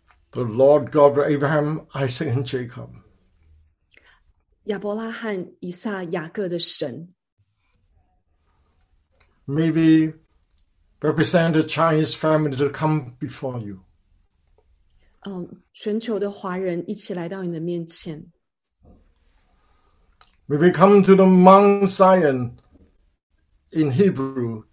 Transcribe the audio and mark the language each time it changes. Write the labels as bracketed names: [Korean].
[English] the Lord God of Abraham, Isaac, and Jacob, [Chinese] 亚伯拉罕、以撒、雅各的神, [English] may we represent the Chinese family to come before you. [Chinese] 全球的华人一起来到你的面前。 [English] May we come to the Mount Zion in Hebrew,